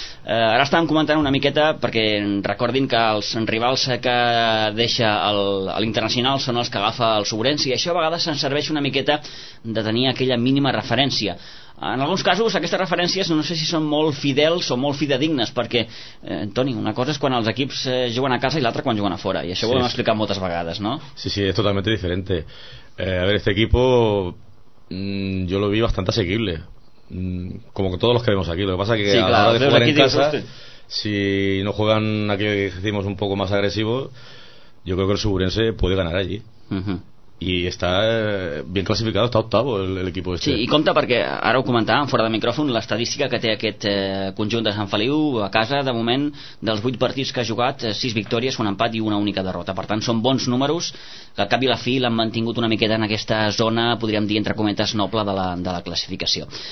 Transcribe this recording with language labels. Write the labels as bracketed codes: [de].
[ca] Ara estàvem comentant una miqueta, perquè recordin que els rivals que deixa l'Internacional són els que agafa el Sogorense, i això a vegades se'n serveix una miqueta de tenir aquella mínima referència. En alguns casos aquestes referències no sé si són molt fidels o molt fidedignes, perquè, Toni, una cosa és quan els equips juguen a casa i l'altra quan juguen a fora, i això sí, ho hem explicat moltes vegades, no? [es] Sí, sí, es totalmente diferente. A ver, este equipo yo lo vi bastante asequible, como todos los que vemos aquí. Lo que pasa es que sí, a claro, la hora de jugar en casa, si no juegan aquí, decimos, un poco más agresivo, yo creo que el Sogorense puede ganar allí. Uh-huh. Y está bien clasificado, está octavo el equipo este. [ca] Sí, i compta, perquè ara ho comentàvem fora de micròfon, l'estadística que té aquest conjunt de Sant Feliu a casa, de moment, dels 8 partits que ha jugat, 6 victòries, un empat i una única derrota. Per tant, són bons números que al cap i la fi l'han mantingut una miqueta en aquesta zona, podríem dir, entre cometes, noble de la classificació.